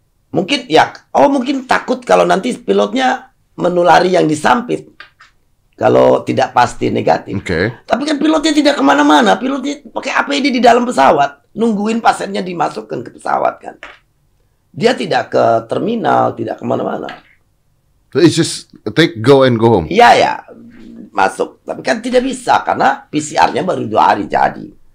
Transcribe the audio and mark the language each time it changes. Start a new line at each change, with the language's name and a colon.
Indonesian: Mungkin ya, mungkin takut kalau nanti pilotnya menulari yang di Sampit. Kalau tidak pasti negatif. Okay. Tapi kan pilotnya tidak kemana-mana. Pilotnya pakai APD di dalam pesawat. Nungguin pasiennya dimasukkan ke pesawat kan. Dia tidak ke terminal, tidak kemana-mana.
English: So it's just take, go and go home?
Indonesian: Iya. Masuk. Tapi kan tidak bisa karena PCR-nya baru 2 hari jadi.